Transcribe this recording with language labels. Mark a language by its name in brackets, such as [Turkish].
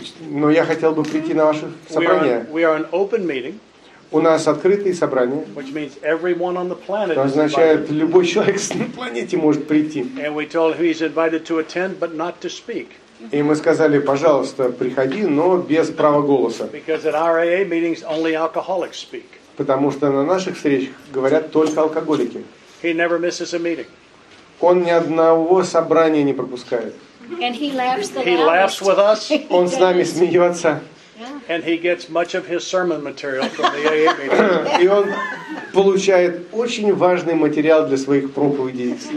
[Russian] Но я хотел бы прийти на ваше собрание. [English] We are an open meeting. [Russian] У нас открытые собрания. [English] Which means everyone on the planet. [Russian] Это означает, любой человек на планете может прийти. [English] And we told him he's invited to attend, but not to speak. [Russian] И мы сказали, пожалуйста, приходи, но без права голоса. [English] Because at our AA meetings only alcoholics speak. [Russian] Потому что на наших встречах говорят только алкоголики. [English] He never misses a meeting. [Russian] Он ни одного собрания не пропускает. [English] And he laughs the loudest. He laughs with us. [Russian] Он с нами смеется. [English] And he gets much of his sermon material from the AA meeting. [Russian] И он получает очень важный материал для своих проповедей.